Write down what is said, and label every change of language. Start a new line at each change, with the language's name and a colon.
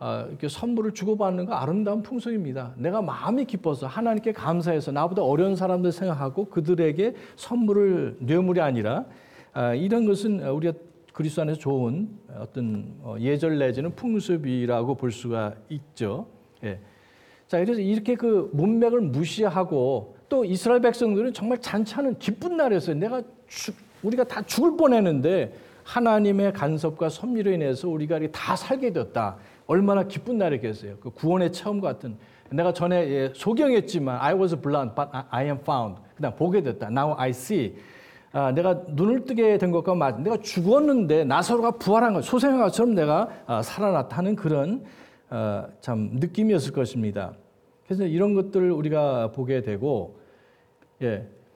Korean: 이렇게 선물을 주고받는 거 아름다운 풍속입니다. 내가 마음이 기뻐서 하나님께 감사해서 나보다 어려운 사람들 생각하고 그들에게 선물을 뇌물이 아니라 이런 것은 우리 그리스도 안에서 좋은 어떤 예절 내지는 풍습이라고 볼 수가 있죠. 예. 자, 그래서 이렇게 그 문맥을 무시하고 또 이스라엘 백성들은 정말 잔치하는 기쁜 날이었어요. 우리가 다 죽을 뻔했는데 하나님의 간섭과 섭리로 인해서 우리가 다 살게 되었다. 얼마나 기쁜 날이겠어요. 그 구원의 체험 같은. 내가 전에 소경했지만
English: I was blind but I am found.
Korean: 그냥 보게 됐다.
English: Now I see.
Korean: 아, 내가 눈을 뜨게 된 것과 마찬가지. 내가 죽었는데 나사로가 부활한 것. 소생아처럼 내가 살아났다는 그런 참 느낌이었을 것입니다. 그래서 이런 것들을 우리가 보게 되고, 예.